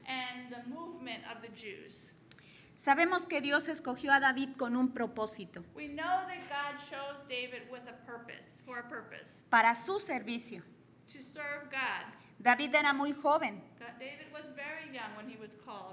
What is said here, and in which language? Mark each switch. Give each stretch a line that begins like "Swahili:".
English: And the movement of the Jews.
Spanish: Sabemos que Dios escogió a David con un propósito.
English: We know that God chose David with a purpose, for a purpose.
Spanish: Para su servicio.
English: To serve God.
Spanish: David era muy joven.
English: David was very young when he was called.